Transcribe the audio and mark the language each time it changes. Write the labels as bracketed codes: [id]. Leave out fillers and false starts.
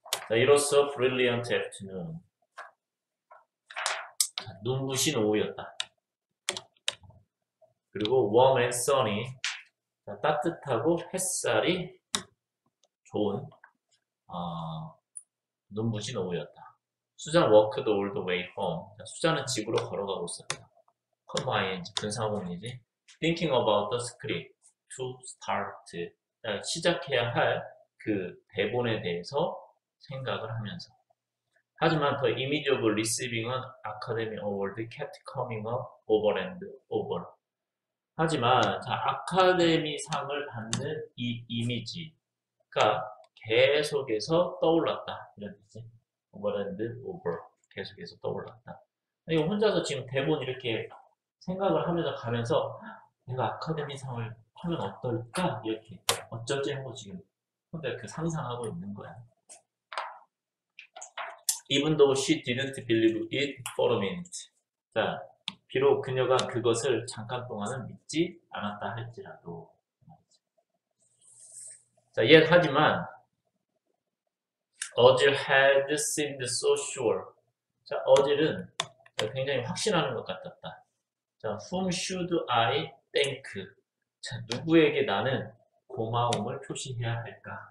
[ko] 이로써 [en] brilliant afternoon. [ko] 눈부신 오후였다. 그리고 [en] warm and sunny. [ko] 따뜻하고 햇살이 좋은 눈부신 오후였다. [en] Susan walked all the way home. [ko] 수잔은 집으로 걸어가고 있었다. [en] Come by, [ko] 분사문이지. [en] Thinking about the script to start. [ko] 시작해야 할그 대본에 대해서 생각을 하면서. 하지만 [en] the image of receiving an Academy Award kept coming up over and over. [ko] 하지만 자, 아카데미 상을 받는 이 이미지가 계속해서 떠올랐다. 이런 뜻이. [en] Over and over. [ko] 계속해서 떠올랐다. 혼자서 지금 대본 이렇게 생각을 하면서 가면서 내가 아카데미 상을 하면 어떨까? 이렇게 어쩌지 하고 지금 혼자 그 상상하고 있는 거야. [en] Even though she didn't believe it for a minute. [ko] 자, 비록 그녀가 그것을 잠깐 동안은 믿지 않았다 할지라도. 자, [en] yet [ko] 하지만 [en] 어질 had seemed so sure. [ko] 자, 어질은 굉장히 확신하는 것 같았다. 자, [en] whom should I thank? [ko] 자, 누구에게 나는 고마움을 표시해야 할까?